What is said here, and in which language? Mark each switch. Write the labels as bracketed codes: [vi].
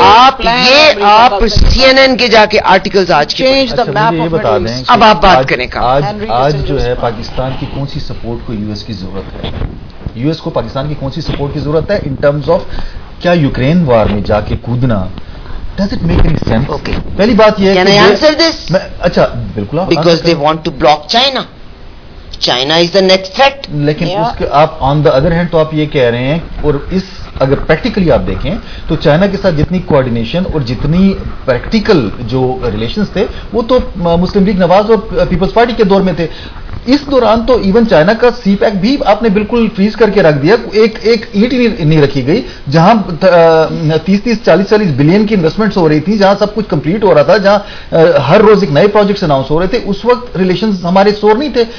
[ur] آپ سی N N کے جا کے آرٹیکلز آج کے بتا دیں, اب آپ بات کریں کہ آج جو ہے پاکستان کی کون سی سپورٹ کو یو ایس کی ضرورت ہے, یو ایس کو پاکستان کی کون سی سپورٹ کی ضرورت ہے ان ٹرمز آف کیا یوکرین وار میں جا کے کودنا, [en] Does it make any sense? Okay [ur] پہلی بات یہ ہے, [en] Can I answer this? [ur] اچھا بالکل, [en] Because they want to block China, China is the next threat. [ur] لیکن اس کے آپ [en] on the other hand [ur] تو آپ یہ کہہ رہے ہیں, اور اس اگر پریکٹیکلی آپ دیکھیں تو چائنا کے ساتھ جتنی کوآرڈینیشن اور جتنی پریکٹیکل جو ریلیشنز تھے وہ تو مسلم لیگ نواز اور پیپلز پارٹی کے دور میں تھے. اس دوران تو ایون چائنا کا سی پیک بھی آپ نے بالکل فریز کر کے رکھ دیا, ایک ایک اینٹ نہیں رکھی گئی, جہاں 30-30, 40-40 بلین کی انویسٹمنٹس ہو رہی تھی, جہاں سب کچھ کمپلیٹ ہو رہا تھا, جہاں ہر روز ایک نئے پروجیکٹس اناؤنس ہو رہے تھے, اس وقت ریلیشنز ہمارے سور نہیں تھے.